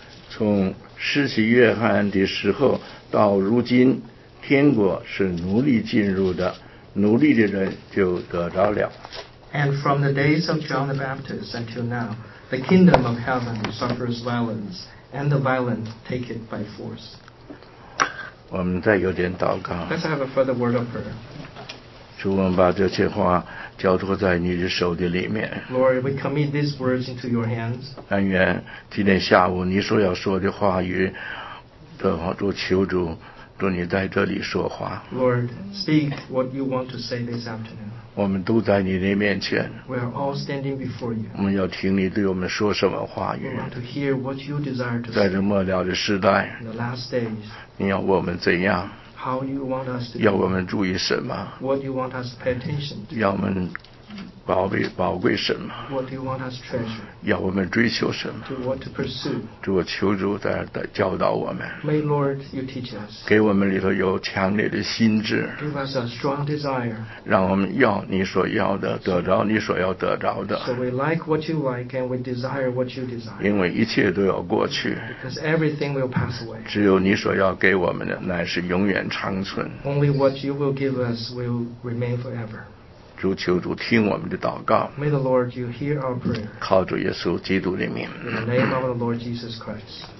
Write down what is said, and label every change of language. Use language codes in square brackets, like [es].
[zh] 从施洗约翰的时候到如今，天国是奴隶进入的，奴隶的人就得着了。 [en] And from the days of John the Baptist until now, the kingdom of heaven suffers violence. And the violent take it by force. [zh] 我们再有点祷告。 [en] Let's have a further word of prayer. [zh] 主，我们把这些话交托在你的手的里面。 [en] Lord, we commit these words into your hands. [zh] 但愿今天下午你所要说的话语的话，主求主，主你在这里说话。 [en] Lord, speak what you want to say this afternoon. [zh] 我们都在你的面前。 [en] We are all standing before you. [zh] 我们要听你对我们说什么话语。 [en] We want to hear what you desire to say. [zh] 在这末了的时代。 [en] In the last days. [zh] 你要我们怎样？ [en] How you want us to? [zh] 要我们注意什么？ [en] What you want us to pay attention to? [zh] 要我们宝贵什么？ [en] What you want us to treasure? [zh] 要我们追求什么？ [en] To what to pursue? [zh] 主，求主在教导我们。 [en] May Lord you teach us. [zh] 给我们里头有强烈的心志。 [en] Give us a strong desire. [zh] 让我们要你所要的，得着你所要得着的。 [en] So we like what you like and we desire what you desire. [zh] 因为一切都要过去。 [en] Because everything will pass away. [zh] 只有你所要给我们的乃是永远长存。 [en] Only what you will give us will remain forever. [zh] 主，求主听我们的祷告。 [en] May the Lord you hear our prayer. [zh] 靠主耶稣基督的名。 [en] In the name of the Lord Jesus Christ.